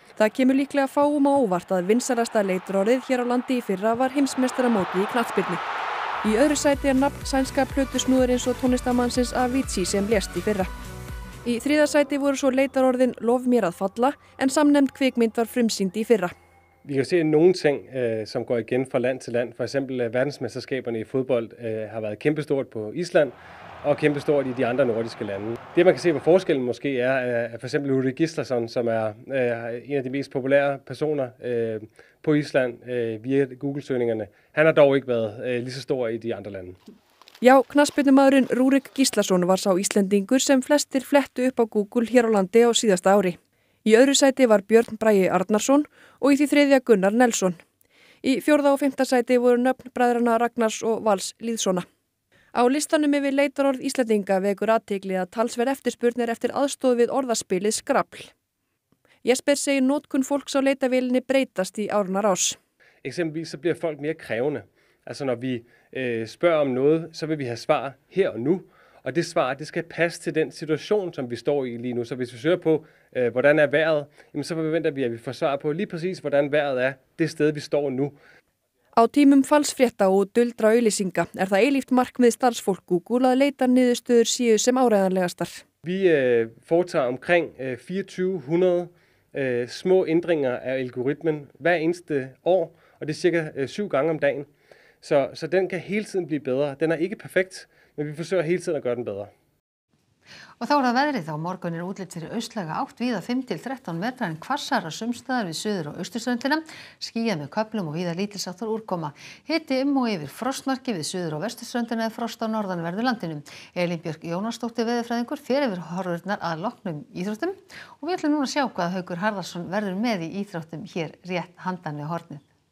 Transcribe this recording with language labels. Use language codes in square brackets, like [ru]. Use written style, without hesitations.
[is] Það kemur líklega fáum á óvart að vinsælasta leitarorðið hér á landi í fyrra var heimsmeistaramóti í knattspyrnu. Í öðru sæti nafn sænska plötusnúðurins og tónlistamannsins Avicii sem lést í fyrra. Í þriðja sæti voru svo leitarorðin Lof mér að falla, en samnefnd kvikmynd var frumsýnd í fyrra. [da] Vi kan se nogle ting som går igen fra land til land. For eksempel verdensmesterskaberne i fodbold har været kæmpestort på Island og kæmpestort i de andre nordiske lande. Det man kan se på forskellen måske er for eksempel Ulrik Gislason, som er en af de mest populære personer på Island via Google-søgningerne. Han har dog ikke været lige så stor i de andre lande. [is] Já, knattspyrnumaðurinn Rúrik Gíslason var sá Íslendingur sem flestir flettu upp á Google hér á landi á síðasta ári. Í öðru sæti var Björn Bragi Arnarsson og í því þriðja Gunnar Nelson. Í fjórða og fymta sæti voru nöfn bræðrana Ragnars og Vals Líðssona. Á listanum yfir leitarorð Íslendinga vekur athygli að talsverð eftirspurn er eftir aðstoð við orðaspilið skrafl. Jesper segir notkun fólks á leitarvélinni breytast í árunar ás. [da] Exempelvis så blir folk mere krævende. Altså når vi spørger om noget, så vil vi have svar her og nu. Og det svar, det skal passe til den situation, som vi står i lige nu. Så hvis vi søger på, hvordan er vejret, jamen, så forventer vi, at vi får svar på lige præcis, hvordan vejret er det sted, vi står nu. [is] Á tímum falsfrétta og duldra auglýsinga er það eilíft markmið starfsfólk Google að leita niðurstöður síu sem áreiðanlegastar. [da] Vi foretager omkring 2400 små ændringer af algoritmen hver eneste år, og det er cirka 7 gange om dagen. Så den kan hele tiden blive bedre. Den er ikke perfekt, men vi forsøger hele tiden at gøre den bedre. [is] Og þá það veðrið á morgun útlit fyrir austlæga átt víða 5-13 metra en hvassara sumstaðar við suður og austurströndina, skýjað með köflum og víða lítilsháttar úrkoma. Hiti og yfir frostmarki við suður og vesturströndina eða frost á norðanverðu landinu. Elín Björk Jónasdóttir veðurfræðingur fer yfir horfurnar að loknum íþróttum og við ætlum núna að sjá hvað Haukur Harðarson verður með í íþróttum hér rétt handan við hornið.